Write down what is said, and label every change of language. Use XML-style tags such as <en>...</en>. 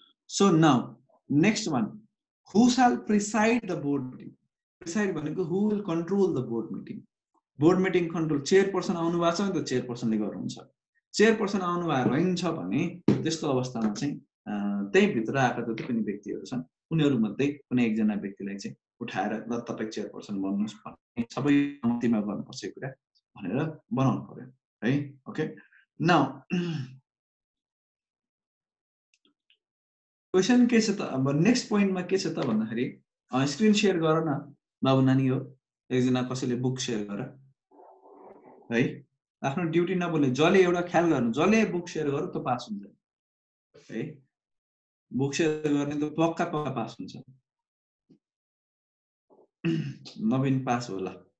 <en>So now next one who shall preside the board meeting. Preside</en> <ne>भनेको</ne> <en>Who will control the board meeting.</en> <ne>Board meeting control chairperson आउनु भएको छ भने त चेयरपर्सनले गर्नुहुन्छ. चेयरपर्सन आउनु भएको रहन्छ भने त्यस्तो अवस्थामा चाहिँ त्यहीभित्र आएका जति पनि व्यक्तिहरू छन् उनीहरूमध्ये कुनै एकजना व्यक्तिलाई चाहिँ उठाएर ल तपाईँ चेयरपर्सन बन्नुहोस् भन्ने सबै कम्तीमा गर्नुपर्छ यो कुरा भनेर बनाउनु पर्यो है.</ne> <en>okay now question</en> <ne>के छ त अब नेक्स्ट पोइन्टमा के छ त भन्दाखेरि स्क्रिन सेयर गर न बाबु नानी हो एकजना कसैले बुक सेयर गर है. आफ्नो ड्युटी नबोल्ने जसले एउटा ख्याल गर्नु जसले बुक सेयर गर त पास हुन्छ है. बुक सेयर गर्ने त पक्का पक्का पास हुन्छ. नवीन पास होला.</ne>